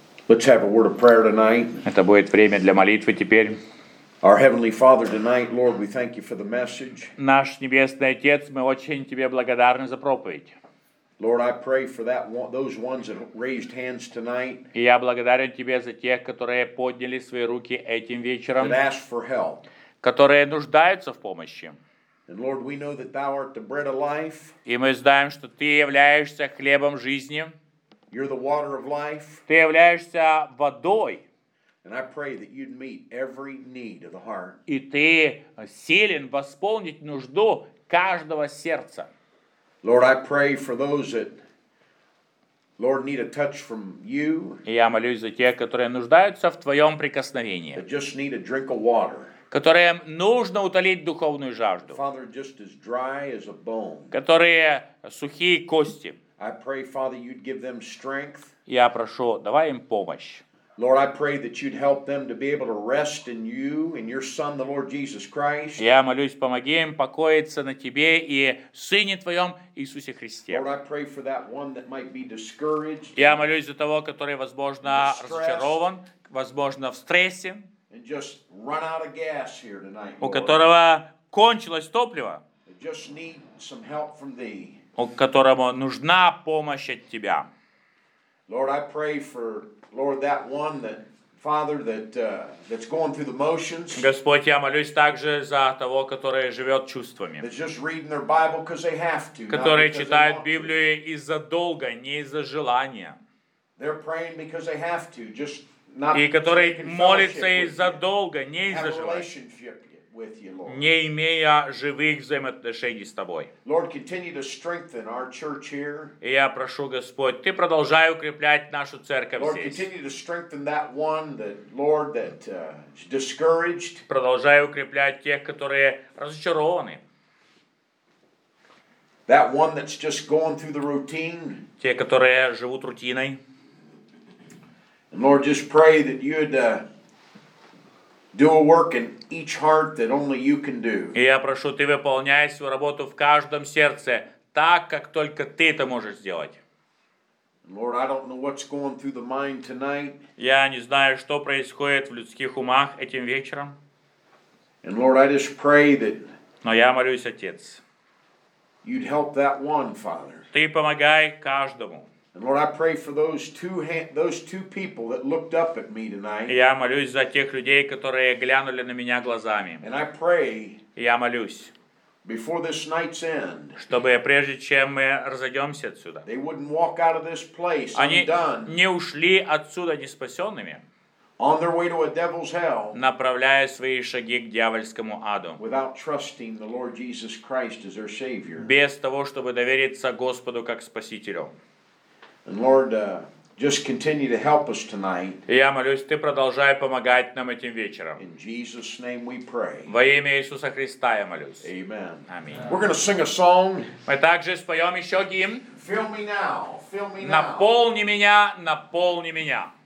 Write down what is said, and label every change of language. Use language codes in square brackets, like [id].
[en] Let's have a word of prayer tonight. [ru] Это будет время для молитвы теперь. [en] Our heavenly Father tonight, Lord, we thank you for the message. [ru] Наш небесный Отец, мы очень тебе благодарны за проповедь. [en] Lord, I pray for that one, those ones that raised hands tonight. [ru] И я благодарен тебе за тех, которые подняли свои руки этим вечером. [en] That ask for help. [ru] Которые нуждаются в помощи. [en] And Lord, we know that thou art the bread of life. [ru] И мы знаем, что ты являешься хлебом жизни. [en] You're the water of life. [ru] Ты являешься водой. [en] And I pray that you'd meet every need of the heart. [ru] И ты силен восполнить нужду каждого сердца. [en] Lord, I pray for those that, Lord, need a touch from you. [ru] И я молюсь за тех, которые нуждаются в твоем прикосновении. [en] That just need a drink of water. [ru] Которым нужно утолить духовную жажду. [en] Father, just as dry as a bone. [ru] Которые сухие кости. [en] I pray, Father, you'd give them strength. [ru] Я прошу, давай им помощь. [en] Lord, I pray that you'd help them to be able to rest in you and your Son, the Lord Jesus Christ. [ru] Я молюсь, помоги им покоиться на тебе и Сыне твоем Иисусе Христе. [en] Lord, I pray for that one that might be discouraged. [ru] Я молюсь за того, который, возможно, разочарован, возможно, в стрессе. [en] And just run out of gas here tonight. [ru] У которого кончилось топливо. [en] I just need some help from thee. [ru] Которому нужна помощь от тебя. [en] Lord, I pray for Lord that one that Father that that's going through the motions. [ru] Господь, я молюсь также за того, который живет чувствами. [en] That's just reading their Bible because they have to. [ru] Которые читают Библию из-за долга, не из-за желания. [en] They're praying because they have to, just not. [ru] И которые молятся из-за долга, не из-за желания. [en] With you, Lord. [ru] Не имея живых взаимоотношений с тобой. [en] Lord, continue to strengthen our church here. [ru] И я прошу, Господь, ты продолжай укреплять нашу церковь [en] Lord, [ru] здесь. [en] Continue to strengthen that one that, Lord, that, discouraged. [ru] Продолжай укреплять тех, которые разочарованы. [en] That one that's just going through the routine. [ru] Те, которые живут рутиной. [en] And Lord, just pray that you'd do a work in each heart that only you can do. [ru] И я прошу, ты выполняй свою работу в каждом сердце так, как только ты это можешь сделать. [en] Lord, I don't know what's going through the mind tonight. [ru] Я не знаю, что происходит в людских умах этим вечером. [en] And Lord, I just pray that. [ru] Но я молюсь, Отец. [en] You'd help that one, Father. [ru] Ты помогай каждому. [en] Lord, I pray for those two people that looked up at me tonight. [ru] Я молюсь за тех людей, которые глянули на меня глазами. [en] And I pray. [ru] Я молюсь. [en] Before this night's end. [ru] Чтобы прежде чем мы разойдемся отсюда. [en] They wouldn't walk out of this place undone. [ru] Они не ушли отсюда не спасенными. [en] On their way to a devil's hell. [ru] Направляя свои шаги к дьявольскому аду. [en] Without trusting the Lord Jesus Christ as their Savior. [ru] Без того, чтобы довериться Господу как Спасителю. [en] And Lord, just continue to help us tonight. [ru] Я молюсь, ты продолжай помогать нам этим вечером. [en] In Jesus' name we pray. [ru] Во имя Иисуса Христа я молюсь. [en] Amen. [ru] Аминь. [en] We're going to sing a song. [ru] Мы также споем еще гимн. [en] Fill me now. Fill me now. [ru] Наполни меня, наполни меня.